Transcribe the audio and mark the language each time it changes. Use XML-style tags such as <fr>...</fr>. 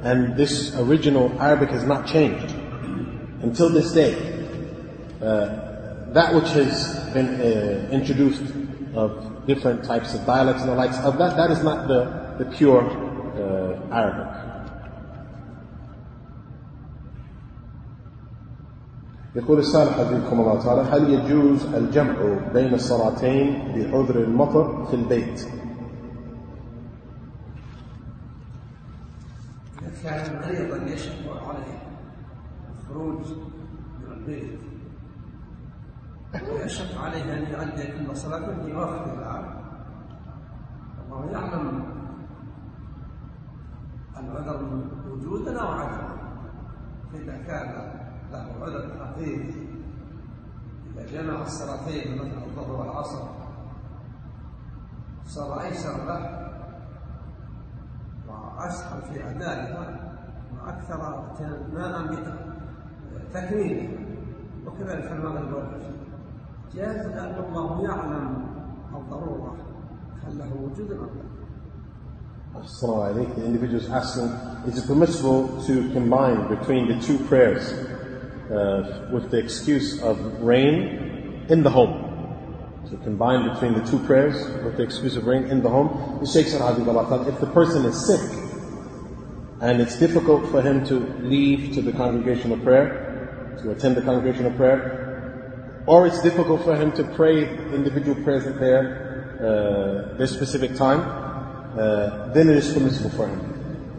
<en>And this original Arabic has not changed until this day. That which has been introduced of different types of dialects and the likes of that, that is not the pure Arabic.</en> <ar>يقول السائل حفظكم الله تعالى هل يجوز الجمع بين الصلاتين بعذر المطر في البيت؟ كان مريضا يشق عليه الخروج من البيت ويشق عليه ان يؤدي كل صلاه في وقت العام الله يعلم العذر وجودا أو عدما. فإذا كان له عذر حقيقي، إذا جمع الصلاتين مثل الظهر والعصر صار أيسر له وأسهل في أدائها وأكثر اغتناما بتكميله، وكذلك في المغرب والعشاء جاز، لأن الله يعلم الضرورة هل له وجود أم لا. Assalamu alaikum.</ar> <en>The individual is asking, is it permissible to combine between the two prayers with the excuse of rain in the home? So combine between the two prayers with the excuse of rain in the home. The Shaykh said, Hafidhahullah Ta'ala, if the person is sick and it's difficult for him to leave to the congregation of prayer, to attend the congregation of prayer, or it's difficult for him to pray individual prayers in there, this specific time, then it is permissible for him.</en>